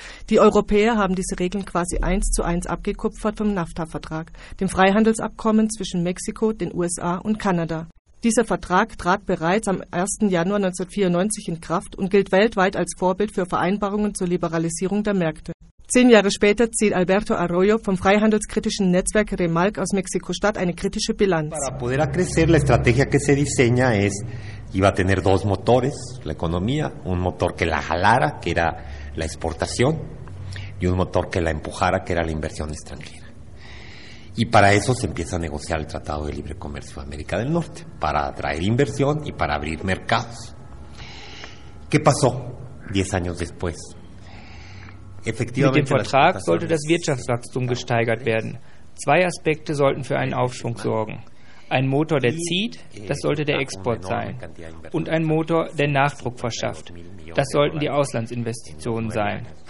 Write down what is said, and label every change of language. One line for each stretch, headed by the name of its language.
German: Die Europäer haben diese Regeln quasi 1:1 abgekupfert vom NAFTA-Vertrag, dem Freihandelsabkommen zwischen Mexiko, den USA und Kanada. Dieser Vertrag trat bereits am 1. Januar 1994 in Kraft und gilt weltweit als Vorbild für Vereinbarungen zur Liberalisierung der Märkte. 10 Jahre später zieht Alberto Arroyo vom freihandelskritischen Netzwerk Remalc aus Mexiko-Stadt eine kritische Bilanz.
Spanish: Para poder crecer, la estrategia que se diseña es iba a tener 2 motores, la economía, un motor que la jalara, que era la exportación, y un motor que la empujara, que era la inversión extranjera. Y para eso se empieza a negociar el Tratado de Libre Comercio de América del Norte, para atraer inversión y para abrir mercados. ¿Qué pasó 10 años después?
German: Mit dem Vertrag sollte das Wirtschaftswachstum gesteigert werden. 2 Aspekte sollten für einen Aufschwung sorgen. Ein Motor, der zieht, das sollte der Export sein. Und ein Motor, der Nachdruck verschafft, das sollten die Auslandsinvestitionen sein.